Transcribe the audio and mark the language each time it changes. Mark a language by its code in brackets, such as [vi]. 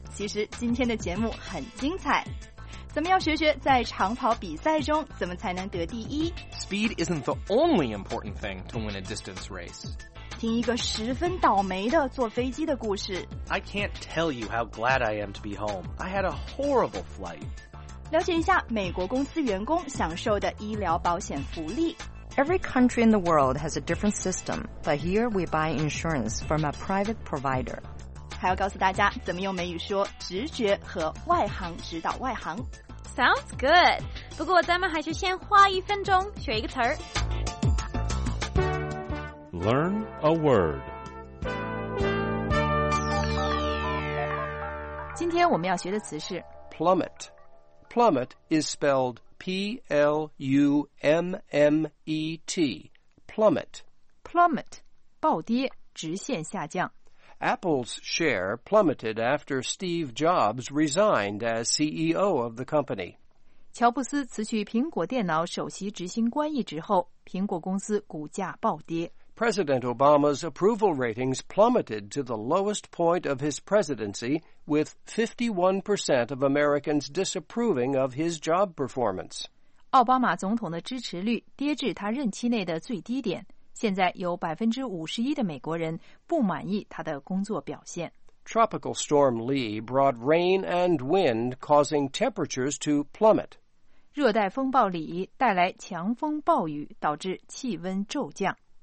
[zh] 其实今天的节目很精彩。咱们要学学在长跑比赛中怎么才能得第一。 [en] Speed isn't the only important thing to win a distance race. [zh] 听一个十分倒霉的坐飞机的故事。 [en] I can't tell you how glad I am to be home. I had a horrible flight. [zh] 了解一下美国公司员工享受的医疗保险福利。 [en] Every country in the world has a different system, but here we buy insurance from a private provider. [zh] 还要告诉大家怎么用美语说直觉和外行指导外行。 [en] Sounds good. [zh] 不过咱们还是先花一分钟学一个词儿。 [en] Learn a word. [zh] 今天我们要学的词是 [en] plummet. Plummet is spelled P-L-U-M-M-E-T, plummet. [zh] Plummet, 暴跌，直线下降。 [en] Apple's share plummeted after Steve Jobs resigned as CEO of the company. [zh] 乔布斯辞去苹果电脑首席执行官一职后，苹果公司股价暴跌。 [en] President Obama's approval ratings plummeted to the lowest point of his presidency, with 51% of Americans disapproving of his job performance. [zh] 奥巴马总统的支持率跌至他任期内的最低点，现在有51%的美国人不满意他的工作表现。 [en] Tropical Storm Lee brought rain and wind, causing temperatures to plummet. [zh] 热带风暴里带来强风暴雨，导致气温骤降。